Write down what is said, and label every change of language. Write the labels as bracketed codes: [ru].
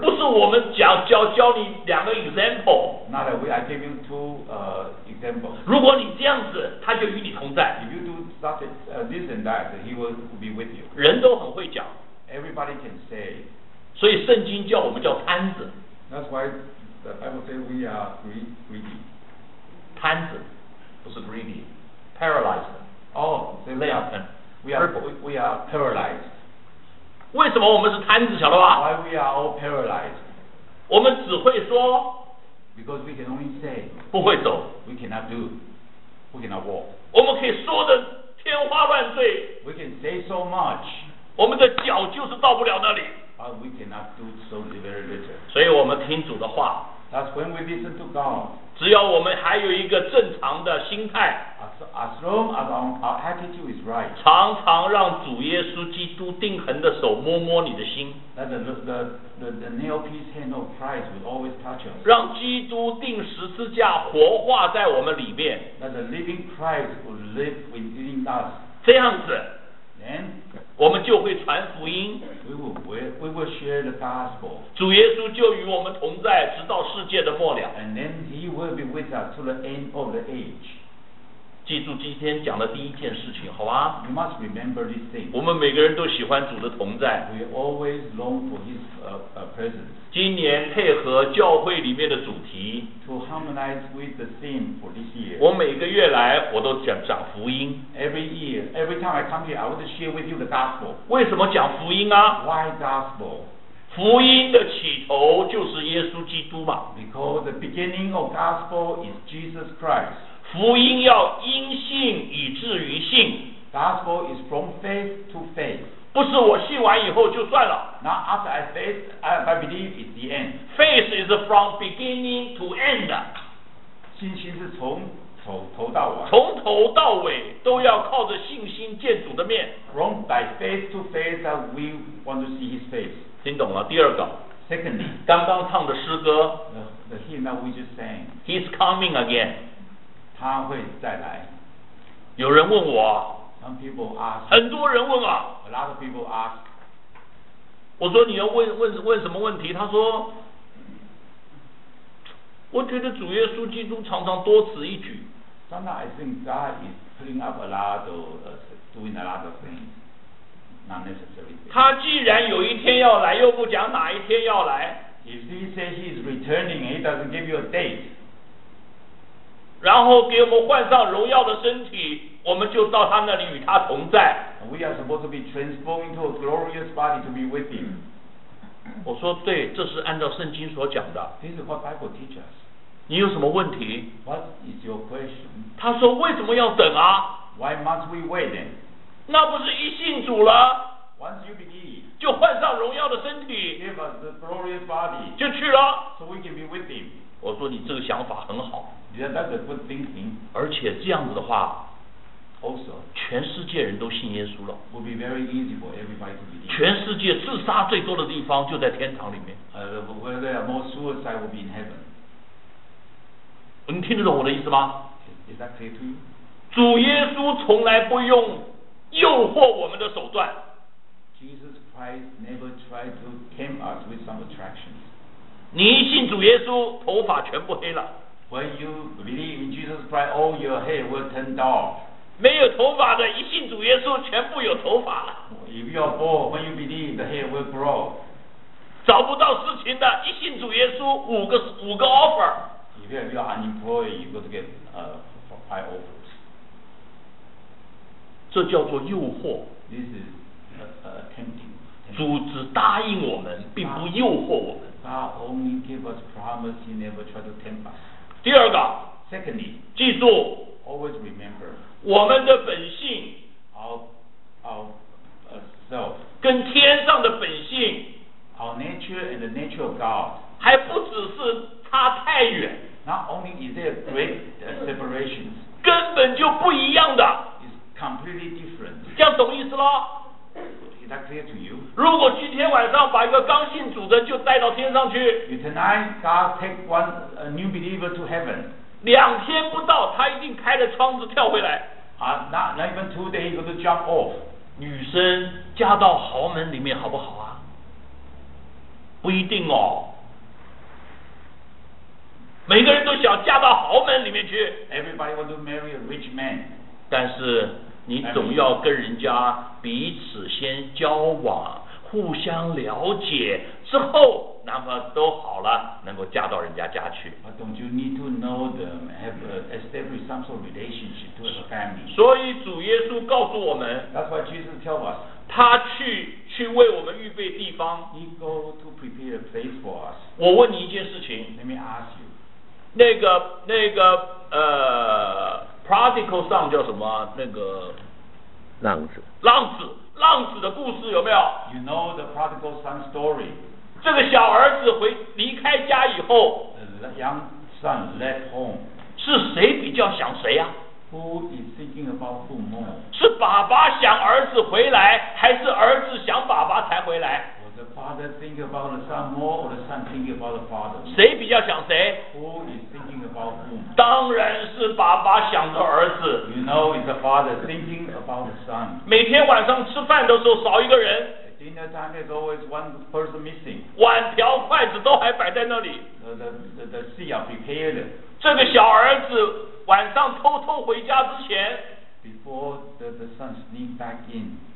[zh] 不是我们教你两个 example. [en] Not that we are giving two examples. [zh] 如果你这样子，他就与你同在。 [en] If you do such this and that, he will be with you. [zh] 人都很会讲。 [en] Everybody can say. [zh] 所以圣经叫我们叫贪子。 [en] That's why the Bible says we are greedy. [zh] 贪子，不是 greedy. [en] Paralyzed. Oh, they lay up. We are paralyzed. [zh] 为什么我们是贪子，晓得吧 [en] ？Why we are all paralyzed? [zh] 我们只会说。 [en] Because we can only say. [zh] 不会走。 [en] We cannot do. We cannot walk. [zh] 我们可以说的天花乱坠。 [en] We can say so much. [zh] 我们的脚就是到不了那里。 [en] But we cannot do so very little. [zh] 所以我们听主的话。 [en] That's when we listen to God. [zh] 只要我们还有一个正常的心态。 [en] As long as our attitude is right. [zh] 常常让主耶稣基督钉痕的手摸摸你的心。 [en] That the nail piece hand of Christ will always touch us. [zh] 让基督钉十字架活化在我们里面。 [en] That the living Christ will live within us. [zh] 这样子。 [en] Then, [zh] 我们就会传福音 [en] we will share the gospel. [zh] 主耶稣就与我们同在直到世界的末了 [en] And then he will be with us to the end of the age. [zh] 记住今天讲的第一件事情好吧 [en] You must remember this thing. [zh] 我们每个人都喜欢主的同在 [en] We always long for his presence. [zh] 今年配合教会里面的主题 [en] To harmonize with the theme for this year. [zh] 我每个月来我都讲福音 [en] Every year, every time I come here, I want to share with you the gospel. [zh] 为什么讲福音啊 [en] ？Why gospel? [zh] 福音的起头就是耶稣基督嘛。 [en] Because the beginning of gospel is Jesus Christ. [zh] 福音要因信以至于信。 [en] Gospel is from faith to faith. [zh] 不是我信完以后就算了。 [en] Now after I believe is the end. Faith is from beginning to end. [zh] 信心是从头到尾，从头到尾都要靠着信心见主的面。 [en] From by faith to faith that we want to see His face. [zh] 听懂了。第二个 [en] ，Secondly， [zh] 刚刚唱的诗歌 [en] ，The hymn that we just sang. He's coming again. [zh] 他会再来。有人问我 [en] ，Some people ask. [zh] 很多人问啊 [en] ，A lot of people ask. [zh] 我说你要问什么问题？他说。我觉得主耶稣基督常常多此一举。 [en] Sometimes I think God is putting up a lot of doing a lot of things, not necessarily. [zh] 他既然有一天要来，又不讲哪一天要来。 [en] If he says he is returning, he doesn't give you a date. [zh] 然后给我们换上荣耀的身体，我们就到他那里与他同在。 [en] We are supposed to be transformed into a glorious body to be with him. [zh] 我说对，这是按照圣经所讲的。 [en] This is what Bible teaches. [zh] 你有什么问题 [en] ？What is your question? [zh] 他说为什么要等啊 [en] ？Why must we wait then? [zh] 那不是一信主了 [en] ？Once you believe, [zh] 就换上荣耀的身体 [en] ，give us the glorious body, [zh] 就去了。 [en] So we can be with him. [zh] 我说你这个想法很好。 [en] Yeah, that's a good thinking. [zh] 而且这样子的话 [en] ，also, [zh] 全世界人都信耶稣了。 [en] Will be very easy for everybody to believe. [zh] 全世界自杀最多的地方就在天堂里面。 [en] Where there are more suicide will be in heaven. [zh] 你听得懂我的意思吗 [en] ？Is that clear to you? [zh] 主耶稣从来不用诱惑我们的手段。 [en] Jesus Christ never tried to tempt us with some attractions. [zh] 你一信主耶稣，头发全部黑了。 [en] When you believe in Jesus Christ, all your hair will turn dark. [zh] 没有头发的，一信主耶稣，全部有头发了。 [en] If you are bald, when you believe, the hair will grow. [zh] 找不到事情的，一信主耶稣，五个 offer. [en] If you are unemployed, you go to get five offers. [zh] 这叫做诱惑。 [en] This is tempting. [zh] 主只答应我们，并不诱惑我们。 [en] God only gives us promise; He never tries to tempt us. [zh] 第二个 [en] ，Secondly， [zh] 记住。 [en] Always remember. [zh] 我们的本性 [en] our self [zh] 跟天上的本性 [en] our nature and the nature of God [zh] 还不只是差太远 [en] not only is there great separations [zh] 根本就不一样的 [en] is completely different [zh] 这样懂意思咯 [en] is that clear to you [zh] 如果今天晚上把一个刚信主人就带到天上去。 [en] Tonight, God take one a new believer to heaven. [zh] 两天不到，他已经开了窗子跳回来。 [en] Not even 2 days, he's going to jump off. [zh] 女生嫁到豪门里面好不好啊？不一定哦。每个人都想嫁到豪门里面去。 [en] Everybody wants to marry a rich man. [zh] 但是你总要跟人家彼此先交往，互相了解之后，那么都好了，能够嫁到人家家去。 [en] But don't you need to know them, have established some sort of relationship to the family? [zh] 所以主耶稣告诉我们 [en] ，That's what Jesus tells us. [zh] 他去为我们预备地方。 [en] He go to prepare a place for us. [zh] 我问你一件事情 [en] ，Let me ask you. [zh] 那个 [en] prodigal son [zh] 叫什么？那个浪子的故事有没有 [en] ？You know the prodigal son story. [zh] 这个小儿子回离开家以后 [en] ，the young son left home. [zh] 是谁比较想谁啊 [en] ？Who is thinking about who more? [zh] 是爸爸想儿子回来，还是儿子想爸爸才回来 [en] ？Was the father thinking about the son more, or the son thinking about the father? [zh] 谁比较想谁 [en] ？Who is thinking about who? [zh] 当然是爸爸想着儿子。 [en] You know, is the father thinking about the son? [zh] 每天晚上吃饭的时候少一个人。 [en] Dinner time is always one person missing. [zh] 碗瓢筷子都还摆在那里。 [en] The seat are prepared. [zh] 这个小儿子晚上偷偷回家之前 [en] ，before the son sneak back in，